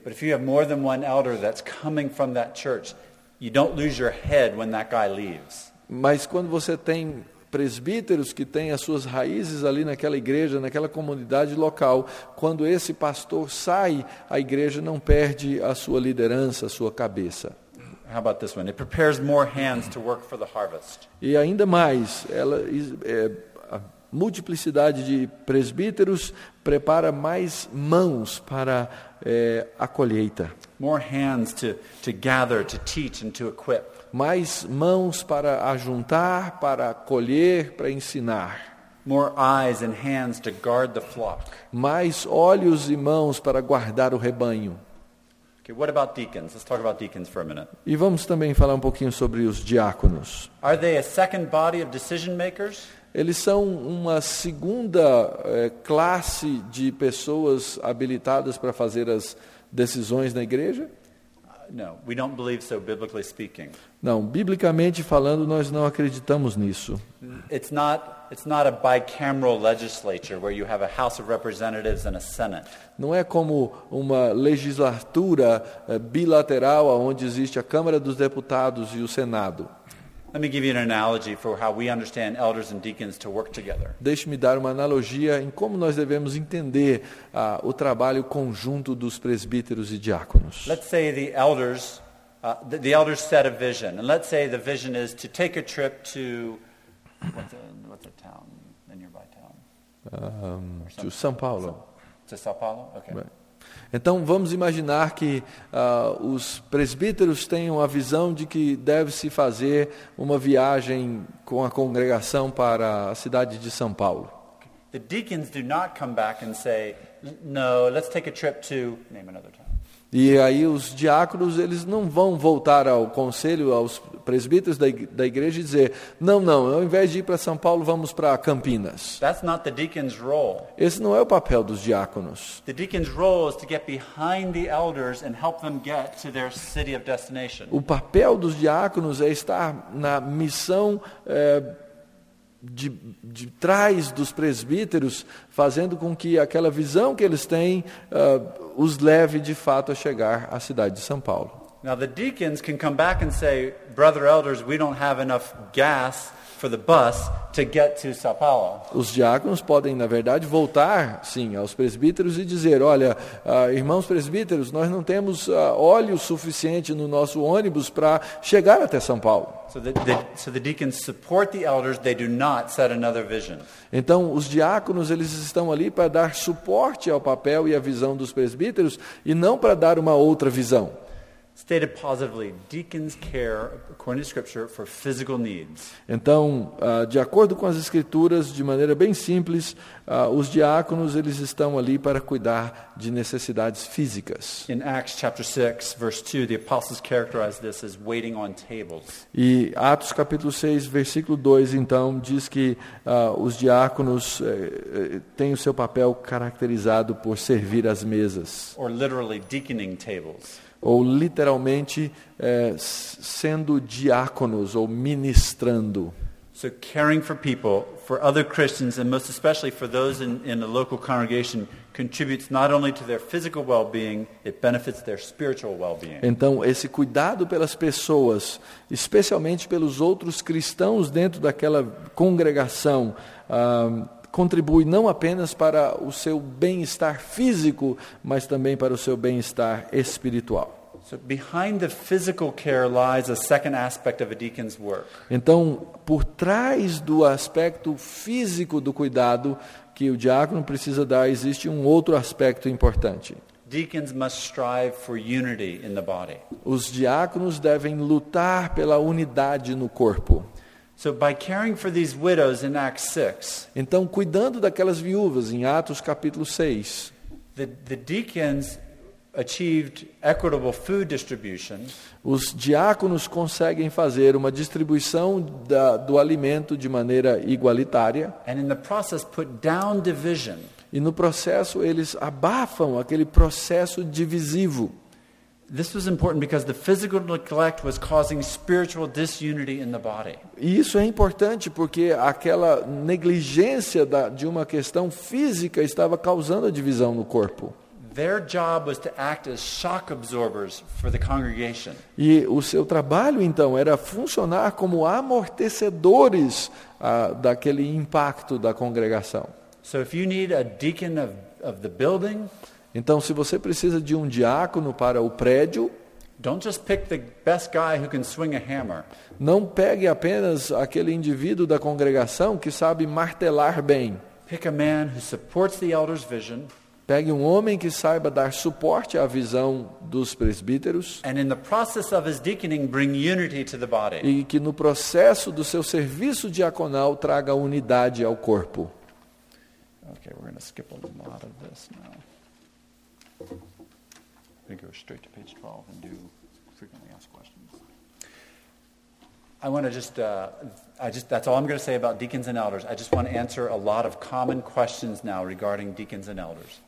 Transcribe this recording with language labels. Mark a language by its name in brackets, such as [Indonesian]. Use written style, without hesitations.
[English] But if you have more than one elder that's coming from that church, you don't lose your head when that guy leaves. [Portuguese] Mas quando você tem presbíteros que têm as suas raízes ali naquela igreja, naquela comunidade local, quando esse pastor sai, a igreja não perde a sua liderança, a sua cabeça. [English] How about this one? It prepares more hands to work for the harvest. [Portuguese] E ainda mais, a multiplicidade de presbíteros prepara mais mãos para a colheita. [English] More hands to gather, to teach and to equip. [Portuguese] Mais mãos para ajuntar, para colher, para ensinar. [English] More eyes and hands to guard the flock. [Portuguese] Mais olhos e mãos para guardar o rebanho. [English] Okay, what about deacons? Let's talk about deacons for a minute. [Portuguese] E vamos também falar um pouquinho sobre os diáconos. [English] Are they a second body of decision makers? [Portuguese] Eles são uma segunda classe de pessoas habilitadas para fazer as decisões na igreja? [English] No, we don't believe so, biblically speaking. [Portuguese] Não, biblicamente falando, nós não acreditamos nisso. [English] It's not a bicameral legislature where you have a House of Representatives and a Senate. [Portuguese] Não é como uma legislatura bilateral onde existe a Câmara dos Deputados e o Senado. [English] Let me give you an analogy for how we understand elders and deacons to work together. [Portuguese] Deixe-me dar uma analogia em como nós devemos entender o trabalho conjunto dos presbíteros e diáconos. [English] Let's say the elders set a vision, and let's say the vision is to take a trip to what's a town, a nearby town? To São Paulo. To São Paulo? Okay. Right. [Portuguese] Então, vamos imaginar que os presbíteros tenham a visão de que deve-se fazer uma viagem com a congregação para a cidade de São Paulo. [English] The deacons do not come back and say, no, let's take a trip to, name another town. [Portuguese] E aí os diáconos, eles não vão voltar ao conselho, aos presbíteros da igreja e dizer, não, ao invés de ir para São Paulo, vamos para Campinas. [English] That's not the deacon's role. [Portuguese] Esse não é o papel dos diáconos. [English] The deacon's role is to get behind the elders and help them get to their city of destination. [Portuguese] O papel dos diáconos é estar na missão de trás dos presbíteros, fazendo com que aquela visão que eles têm os leve de fato a chegar à cidade de São Paulo. [English] Now the deacons can come back and say, brother elders, we don't have enough gas for the bus to get to São Paulo. [Portuguese] Os diáconos podem, na verdade, voltar, sim, aos presbíteros e dizer, olha, irmãos presbíteros, nós não temos óleo suficiente no nosso ônibus para chegar até São Paulo. [English] So the deacons support the elders, they do not set another vision. [Portuguese] Então, os diáconos, eles estão ali para dar suporte ao papel e à visão dos presbíteros e não para dar uma outra visão. [English] Stated positively, deacons care, according to scripture, for physical needs. [Portuguese] Então, de acordo com as escrituras, de maneira bem simples, os diáconos, eles estão ali para cuidar de necessidades físicas. [English] In Acts chapter 6, verse 2, the apostles characterize this as waiting on tables. [Portuguese] E Atos capítulo 6, versículo 2, então, diz que os diáconos têm o seu papel caracterizado por servir às mesas. [English] Or literally, deaconing tables. [Portuguese] Ou literalmente sendo diáconos ou ministrando. [English] So caring for people, for other Christians, and most especially for those in the local congregation, contributes not only to their physical well-being, it benefits their spiritual well-being. [Portuguese] Então, esse cuidado pelas pessoas, especialmente pelos outros cristãos dentro daquela congregação, contribui não apenas para o seu bem-estar físico, mas também para o seu bem-estar espiritual. [English] So behind the physical care lies a second aspect of a deacon's work. [Portuguese] Então, por trás do aspecto físico do cuidado que o diácono precisa dar, existe um outro aspecto importante. [English] Deacons must strive for unity in the body. [Portuguese] Os diáconos devem lutar pela unidade no corpo. [English] So by caring for these widows in Acts 6. [Portuguese] Então, cuidando daquelas viúvas em Atos capítulo 6. [English] The deacons achieved equitable food distribution. [Portuguese] Os diáconos conseguem fazer uma distribuição do alimento de maneira igualitária. [English] And in the process put down division. [Portuguese] E no processo eles abafam aquele processo divisivo. [English] This was important because the physical neglect was causing spiritual disunity in the body. [Portuguese] E isso é importante porque aquela negligência de uma questão física estava causando a divisão no corpo. [English] Their job was to act as shock absorbers for the congregation. [Portuguese] E o seu trabalho então era funcionar como amortecedores daquele impacto da congregação. [English] So if you need a deacon of the building, [Portuguese] então se você precisa de um diácono para o prédio, [English] don't just pick the best guy who can swing a hammer. [Portuguese] Não pegue apenas aquele indivíduo da congregação que sabe martelar bem. [English] Pick a man who supports the elders' vision. [Portuguese] Pegue um homem que saiba dar suporte à visão dos presbíteros. [English] And in the process of his deaconing, bring unity to the body. [Portuguese] E que no processo do seu serviço diaconal traga unidade ao corpo. [English] Okay, we're going to skip a lot of this now. We go straight to page 12 and do frequently asked questions. That's all I'm going to say about deacons and elders. I just want to answer a lot of common questions now regarding deacons and elders.